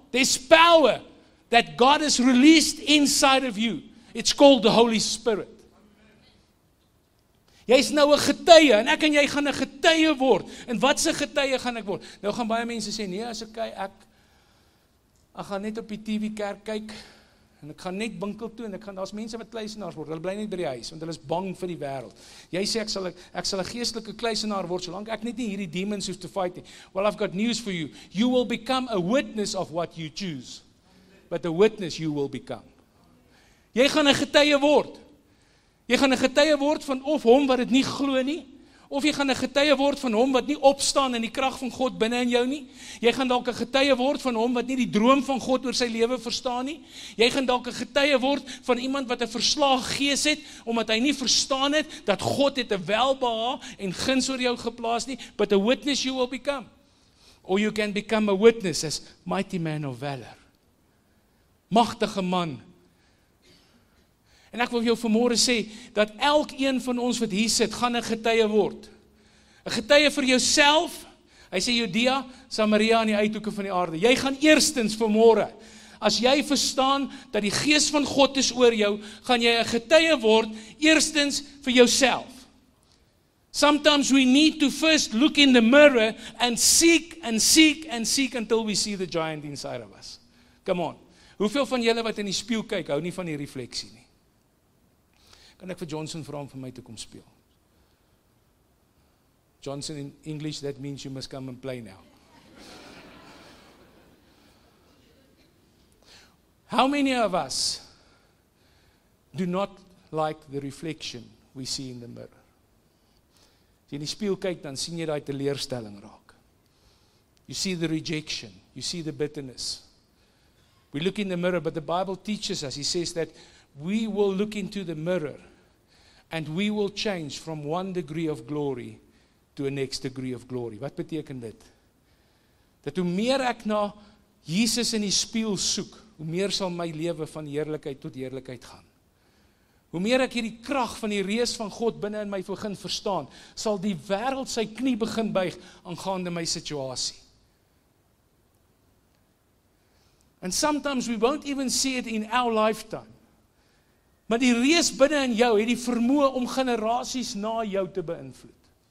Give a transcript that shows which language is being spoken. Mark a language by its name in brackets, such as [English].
[English] There's power that God has released inside of you. It's called the Holy Spirit. [Afrikaans] Jy is nou 'n getuie en ek en jy gaan 'n getuie word. En wat se getuie gaan ek word? Nou gaan baie mense sê, nee, as okay, ek gaan net op die TV kerk kyk. En ek gaan net winkel toe en ek gaan, daar is mense wat kluisenaars word, hulle bly net by die huis, want hulle is bang vir die wêreld. Jy sê, ek sal 'n geestelike kluisenaar word, solank ek net nie hierdie demons hoef te fight nie. [English] Well, I've got news for you. You will become a witness of what you choose. But a witness you will become. [Afrikaans] Jy gaan 'n getuie word. Jy gaan 'n getuie word van of hom wat het nie glo nie, of jy gaan 'n getuie word van hom wat nie opstaan in die krag van God binne in jou nie. Jy gaan dalk 'n getuie word van hom wat nie die droom van God oor sy lewe verstaan nie. Jy gaan dalk 'n getuie word van iemand wat 'n verslae gees het, omdat hy nie verstaan het dat God het 'n welbehae en guns oor jou geplaas nie. [English] But a witness you will become. Or you can become a witness as mighty man of valor. [Afrikaans] Magtige man. En ek wil jou vanmôre sê, dat elk een van ons wat hier sit, gaan 'n getuie word. 'N getuie vir jouself, hy sê Judea, Samaria en die uithoeke van die aarde. Jy gaan eerstens vanmôre, as jy verstaan dat die Gees van God is oor jou, gaan jy 'n getuie word, eerstens vir jouself. [English] Sometimes we need to first look in the mirror and seek and seek and seek until we see the giant inside of us. Come on, [Afrikaans] hoeveel van julle wat in die spieël kyk, hou nie van die refleksie nie? Kan ek vir Johnson vra om vir my te kom speel? [English] Johnson, in English, that means you must come and play now. How many of us do not like the reflection we see in the mirror? [Afrikaans] As jy in die spieël kyk, dan sien jy daai teleurstelling raak. [English] You see the rejection. You see the bitterness. We look in the mirror, but the Bible teaches us, he says that we will look into the mirror and we will change from one degree of glory to a next degree of glory. [Afrikaans] Wat beteken dit? Dat hoe meer ek na Jesus in die spieël soek, hoe meer sal my lewe van heerlikheid tot heerlikheid gaan. Hoe meer ek hierdie krag van die reus van God binne in my begin verstaan, sal die wêreld sy knie begin buig aangaande my situasie. [English] And sometimes we won't even see it in our lifetime. [Afrikaans] Maar die reus binne in jou het die vermoë om generasies na jou te beïnvloed.